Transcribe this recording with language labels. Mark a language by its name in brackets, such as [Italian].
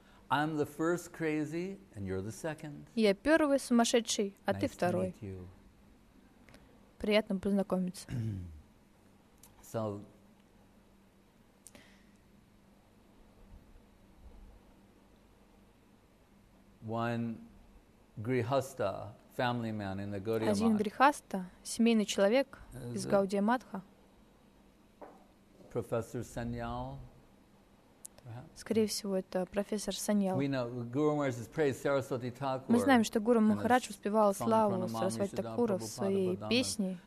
[English] "I'm the first crazy, and you're the second." [Russian] Я первый сумасшедший, а ты второй. Приятно познакомиться. [English] So, one grihastha family man in the Gaudiya Math. [Russian] Один грихаста, семейный человек из Гаудия Матха. [English] Professor Sanyal. [Russian] Скорее всего, это профессор Саньял. [English] We know Guru Maharaj's praise Saraswati Thakur. [Russian] Мы знаем, что Гуру Махарадж воспевал славу Сарасвати Такура в своей песне.